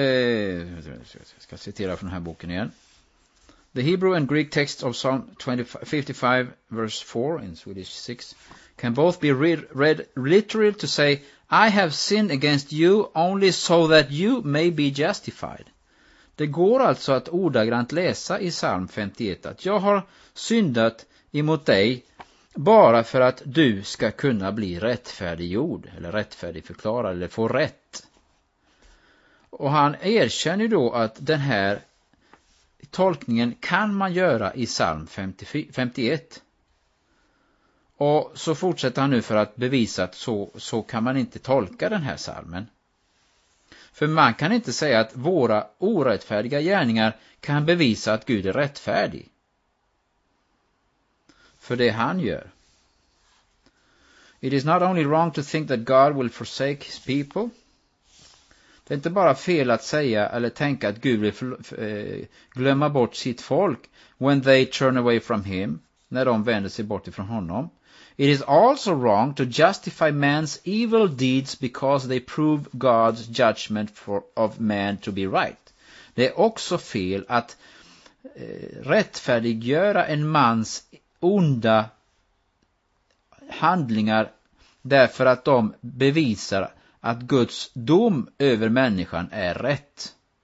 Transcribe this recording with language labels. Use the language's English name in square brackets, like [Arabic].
[Swedish] jag ska citera från den här boken igen. [English] The Hebrew and Greek text of Psalm 55 verse 4 in Swedish 6 can both be read literally to say I have sinned against you only so that you may be justified. [Swedish] Det går alltså att ordagrant läsa i psalm 51 att jag har syndat emot dig bara för att du ska kunna bli rättfärdiggjord eller rättfärdigförklarad eller få rätt. Och han erkänner då att den här tolkningen kan man göra i psalm 51. Och så fortsätter han nu för att bevisa att så kan man inte tolka den här psalmen. För man kan inte säga att våra orättfärdiga gärningar kan bevisa att Gud är rättfärdig. För det han gör. [English] It is not only wrong to think that God will forsake his people. [Swedish] Det är inte bara fel att säga eller tänka att Gud vill glömma bort sitt folk [English] when they turn away from him, [Swedish] när de vänder sig bort ifrån honom. [English] It is also wrong to justify man's evil deeds because they prove God's judgment of man to be right. [Swedish] Det är också fel att rättfärdiggöra en mans onda handlingar därför att de bevisar att Guds dom över människan är rätt.